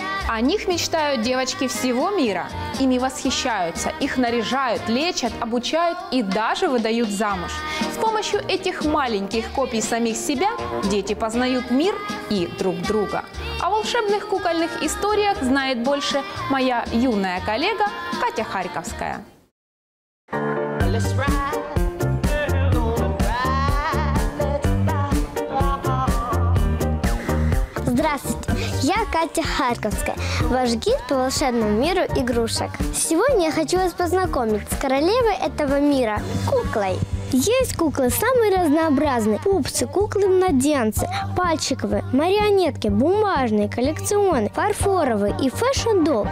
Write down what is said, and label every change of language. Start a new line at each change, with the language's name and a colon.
Russian: О них мечтают девочки всего мира. Ими восхищаются, их наряжают, лечат, обучают и даже выдают замуж. С помощью этих маленьких копий самих себя дети познают мир и друг друга. О волшебных кукольных историях знает больше моя юная коллега Катя Харьковская.
English: Let's ride, girl, let's ride, let's ride.
Russian: Я Катя Харьковская, ваш гид по волшебному миру игрушек. Сегодня я хочу вас познакомить с королевой этого мира – куклой. Есть куклы самые разнообразные. Пупсы, куклы-младенцы, пальчиковые, марионетки, бумажные, коллекционные, фарфоровые и фэшн-долл.